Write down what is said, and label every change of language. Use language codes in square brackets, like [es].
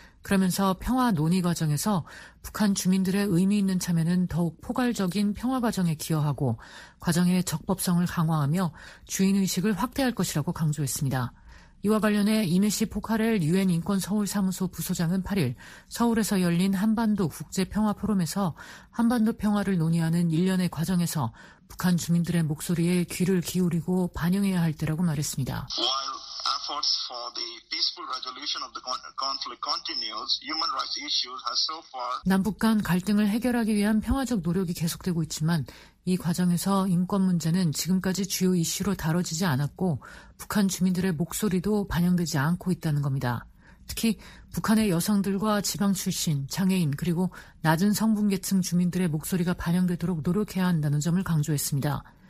[ko] 그러면서 평화 논의 과정에서 북한 주민들의 의미 있는 참여는 더욱 포괄적인 평화 과정에 기여하고 과정의 적법성을 강화하며 주인의식을 확대할 것이라고 강조했습니다. 이와 관련해 이메시 포카렐 유엔 인권서울사무소 부소장은 8일 서울에서 열린 한반도 국제평화포럼에서 한반도 평화를 논의하는 일련의 과정에서 북한 주민들의 목소리에 귀를 기울이고 반영해야 할 때라고 말했습니다. [en] Efforts for the peaceful resolution of the conflict continues. Human rights issues have so far. [ko] 남북 간 갈등을 해결하기 위한 평화적 노력이 계속되고 있지만 이 과정에서 인권 문제는 지금까지 주요 이슈로 다뤄지지 않았고 북한 주민들의 목소리도 반영되지 않고 있다는 겁니다. 특히 북한의 여성들과 지방 출신, 장애인 그리고 낮은 성분계층 주민들의 목소리가 반영되도록 노력해야 한다는 점을 강조했습니다.